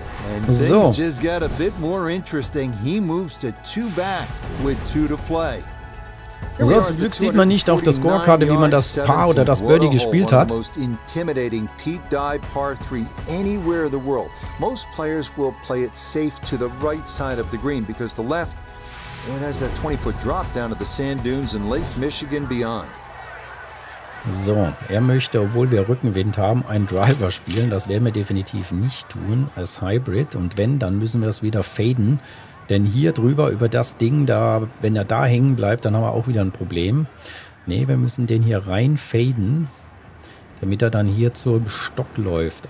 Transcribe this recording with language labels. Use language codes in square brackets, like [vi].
[en] And things just got a bit more interesting. He moves to two back with two to play. [de] So, zum Glück sieht man nicht auf der Scorekarte, wie man das Par oder das Birdie gespielt hat. [en] Most players will play it safe to the right side of the green because the left it has that 20-foot drop down to the sand dunes in Lake Michigan beyond. [de] So, er möchte, obwohl wir Rückenwind haben, einen Driver spielen. Das werden wir definitiv nicht tun als Hybrid. Und wenn, dann müssen wir es wieder faden. Denn hier drüber, über das Ding da, wenn er da hängen bleibt, dann haben wir auch wieder ein Problem. Nee, wir müssen den hier rein faden, damit er dann hier zum Stock läuft.